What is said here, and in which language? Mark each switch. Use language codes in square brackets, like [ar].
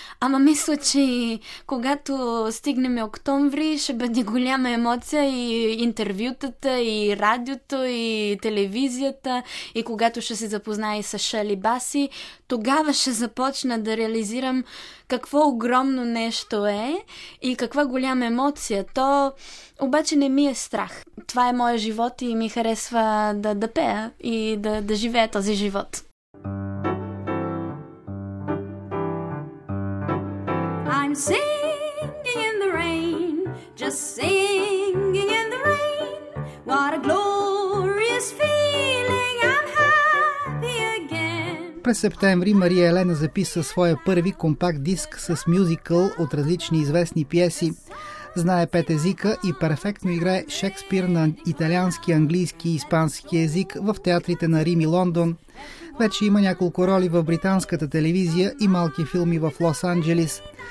[bg] ама мисля, че когато стигнем октомври, ще бъде голяма емоция и интервютата, и радиото, и телевизията, и когато ще се запозная с Шърли Баси, тогава ще започна да реализирам какво огромно нещо е и каква голяма емоция. То обаче не ми е страх. Това е моя живот и ми харесва да пея и да живея този живот. [en] I'm singing in the rain, just singing in the rain. What a glorious feeling, I'm happy again. [bg] През септември Мария Елена записа своя първи компакт диск с мюзикъл от различни известни пиеси. Знае 5 езика и перфектно играе Шекспир на италиански, английски и испански език в театрите на Рим и Лондон. Вече има няколко роли в британската телевизия и малки филми в Лос-Анджелис.